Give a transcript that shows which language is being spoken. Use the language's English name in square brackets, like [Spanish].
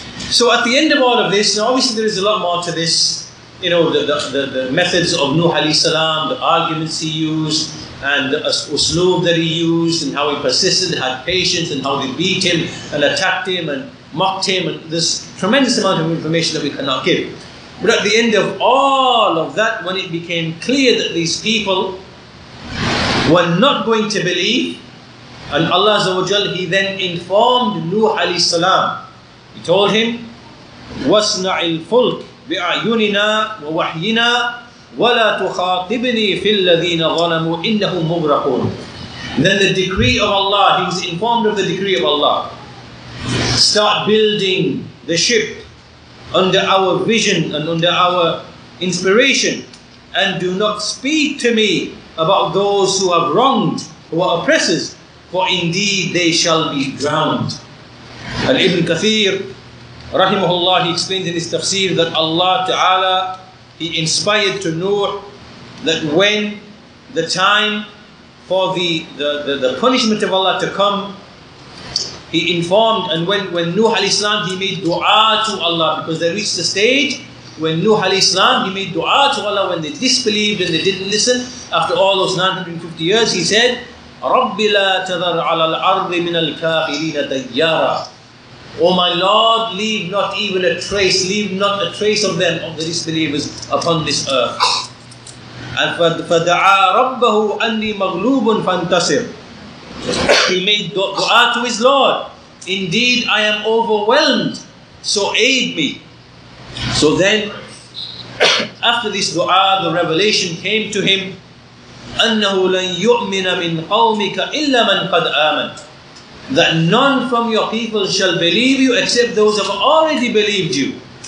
[English] So at the end of all of this, now obviously there is a lot more to this, you know, the methods of Nuh alayhi salam, the arguments he used, and the usloob that he used, and how he persisted, had patience, and how they beat him and attacked him and mocked him, and this tremendous amount of information that we cannot give. But at the end of all of that, when it became clear that these people were not going to believe, and Allah Azza wa Jal, he then informed Nuh alayhi salam. He told him, [Arabic] وَاسْنَعِ الْفُلْكِ بِأَعْيُنِنَا وَوَحْيِنَا وَلَا تُخَاطِبْنِي فِي الَّذِينَ ظَلَمُوا إِنَّهُمْ مُغْرَقُونَ. [English] Then the decree of Allah, he was informed of the decree of Allah. Start building the ship under our vision and under our inspiration, and do not speak to me about those who have wronged, who are oppressors, for indeed they shall be drowned. And Ibn Kathir rahimahullah, he explains in his tafsir that Allah Ta'ala, he inspired to Nuh that when the time for the punishment of Allah to come, he informed, and when Nuh alayhi salam, he made dua to Allah, because they reached the stage when Nuh alayhi salam, he made dua to Allah when they disbelieved and they didn't listen. After all those 950 years, he said, [Arabic] رَبِّ لَا تَذَرْ عَلَى الْأَرْضِ مِنَ الْكَافِرِينَ دَيَّارًا. [English] O my Lord, leave not even a trace, leave not a trace of them, of the disbelievers, upon this earth. [Arabic] And فَدَعَى رَبَّهُ أَنِّي مَغْلُوبٌ فَانْتَصِرْ. [English] He made dua to his Lord. Indeed, I am overwhelmed, so aid me. So then, After this dua, the revelation came to him, [Arabic] أَنَّهُ لَنْ يُؤْمِنَ مِنْ قَوْمِكَ إِلَّا مَنْ قَدْ آمَنَ, [English] that none from your people shall believe you except those who have already believed you.